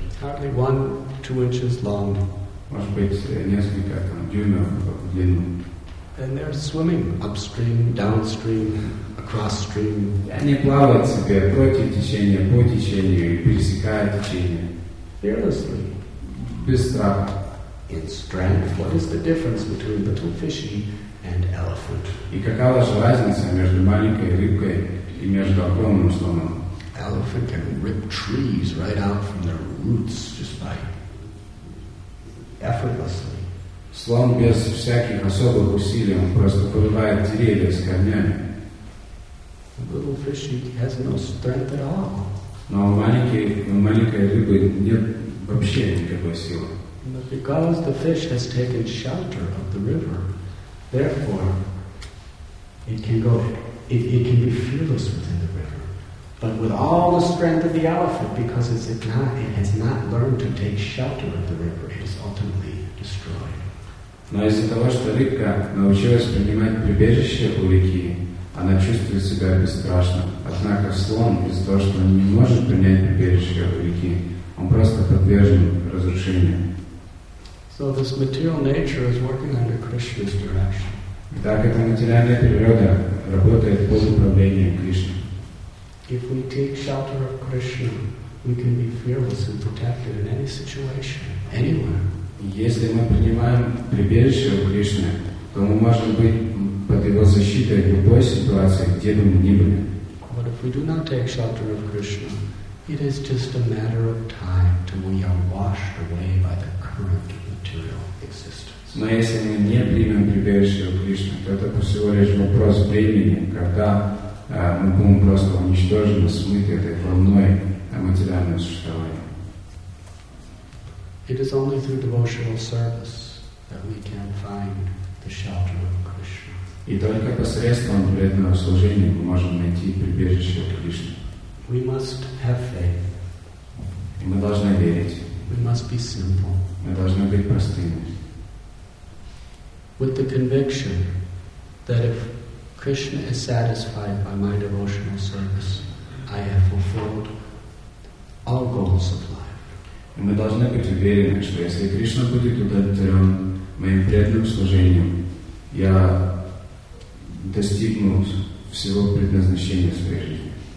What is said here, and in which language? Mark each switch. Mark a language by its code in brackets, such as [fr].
[en] Hardly 1-2 inches long. [ru] Может быть, несколько там, дюймов в длину. [en] And they're swimming upstream, downstream, across stream. [ru] Они плавают себе против течения, по течению и пересекают течение. [en] Fearlessly. In strength, what is the difference between little fishy and elephant? [ru] И какова же разница между маленькой рыбкой и между огромным слоном? [en] Elephant can rip trees right out from their roots just by effortlessly. [ru] Слон без всяких особых усилий он просто вырывает деревья с корнями. [en] The little fishy has no strength at all. [ru] Но маленькой рыбы нет. Вообще никакой силы. [en] But because the fish has taken shelter of the river, therefore it can be fearless within the river. But with all the strength of the elephant, because it has not learned to take shelter of the river, it is ultimately destroyed. [ru] Но из-за того, что рыбка научилась принимать прибежище у реки, она чувствует себя бесстрашно. Однако слон, из-за того, что он не может принять прибежище у реки, он просто подвержен разрушению. [en] So this material nature is working under Krishna's direction. [ru] Итак, эта материальная природа работает под управлением Кришны. [en] If we take shelter of Krishna, we can be fearless and protected in any situation, anywhere. [ru] Если мы принимаем прибежище у Кришны, то мы можем быть под его защитой в любой ситуации, где бы мы ни были. [en] But if we do not take shelter of Krishna, it is just a matter of time till we are washed away by the current material existence. [ru] Но если мы не примем прибежище у Кришны, то это всего лишь вопрос времени, когда мы будем просто уничтожены, смыты этой волной материального существования. [en] It is only through devotional service that we can find the shelter of Krishna. [ru] И только посредством преданного служения мы можем найти прибежище у Кришны. [en] We must have faith. [ru] Мы должны верить. [en] We must be simple. [ru] Мы должны быть простыми. [en] With the conviction that if Krishna is satisfied by my devotional service, I have fulfilled all goals of life. [ru] И мы должны быть уверены, что если Кришна будет удовлетворен моим преданным служением, я достигну всего предназначения своей жизни.